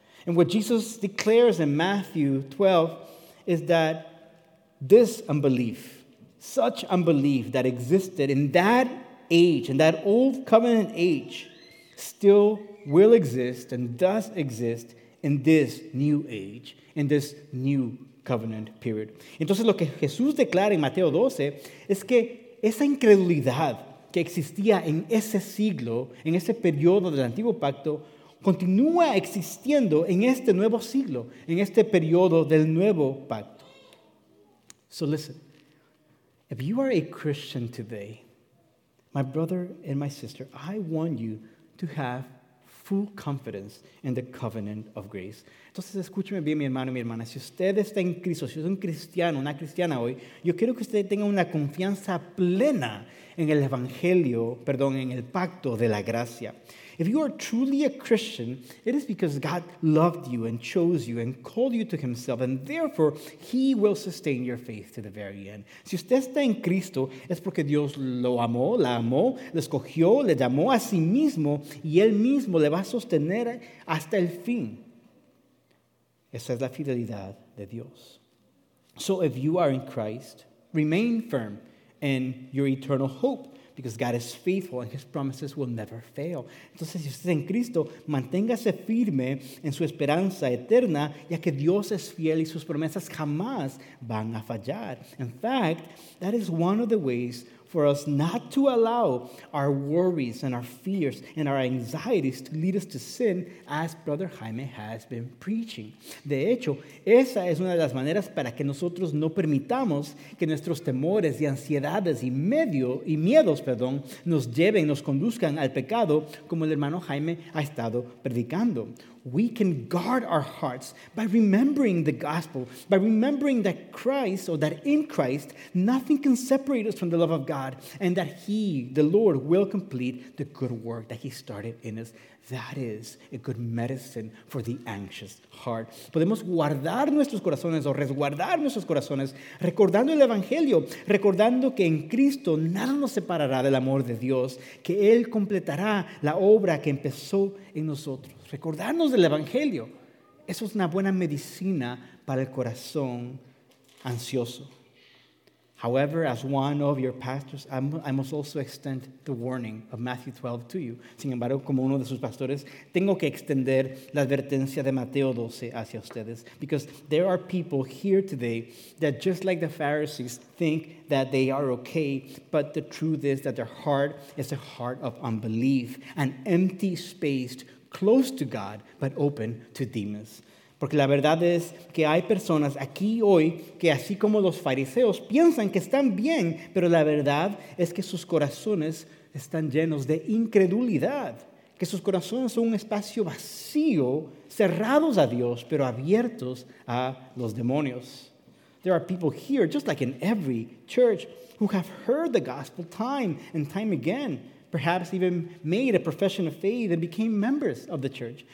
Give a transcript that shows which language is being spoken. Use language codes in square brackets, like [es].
[en] And what Jesus declares in Matthew 12 is that this unbelief, such unbelief that existed in that age, in that old covenant age, still will exist and does exist in this new age, in this new covenant period. [es] Entonces, lo que Jesús declara en Mateo 12 es que esa incredulidad que existía en ese siglo, en ese periodo del antiguo pacto, continúa existiendo en este nuevo siglo, en este periodo del nuevo pacto. [en] So listen. If you are a Christian today, my brother and my sister, I want you to have full confidence in the covenant of grace. [es] Entonces, escúcheme bien, mi hermano y mi hermana. Si usted está en Cristo, si es un cristiano, una cristiana hoy, yo quiero que usted tenga una confianza plena en el evangelio, perdón, en el pacto de la gracia. [en] If you are truly a Christian, it is because God loved you and chose you and called you to himself, and therefore he will sustain your faith to the very end. [es] Si usted está en Cristo, es porque Dios lo amó, la amó, le escogió, le llamó a sí mismo, y él mismo le va a sostener hasta el fin. Esa es la fidelidad de Dios. [en] So if you are in Christ, remain firm in your eternal hope, because God is faithful and his promises will never fail. [es] Entonces, si usted es en Cristo, manténgase firme en su esperanza eterna, ya que Dios es fiel y sus promesas jamás van a fallar. [en] In fact, that is one of the ways for us not to allow our worries and our fears and our anxieties to lead us to sin, as Brother Jaime has been preaching. [es] De hecho, esa es una de las maneras para que nosotros no permitamos que nuestros temores y ansiedades y miedos, nos lleven, nos conduzcan al pecado, como el hermano Jaime ha estado predicando. [en] We can guard our hearts by remembering the gospel, by remembering that Christ, or that in Christ, nothing can separate us from the love of God, and that He, the Lord, will complete the good work that He started in us. That is a good medicine for the anxious heart. [es] Podemos guardar nuestros corazones o resguardar nuestros corazones recordando el Evangelio, recordando que en Cristo nada nos separará del amor de Dios, que Él completará la obra que empezó en nosotros. Recordarnos del Evangelio. Eso es una buena medicina para el corazón ansioso. [en] However, as one of your pastors, I must also extend the warning of Matthew 12 to you. [es] Sin embargo, como uno de sus pastores, tengo que extender la advertencia de Mateo 12 hacia ustedes. [en] Because there are people here today that, just like the Pharisees, think that they are okay, but the truth is that their heart is a heart of unbelief, an empty space close to God, but open to demons. [es] Porque la verdad es que hay personas aquí hoy que, así como los fariseos, piensan que están bien, pero la verdad es que sus corazones están llenos de incredulidad, que sus corazones son un espacio vacío, cerrados a Dios, pero abiertos a los demonios. [en] There are people here, just like in every church, who have heard the gospel time and time again, perhaps even made a profession of faith and became members of the church.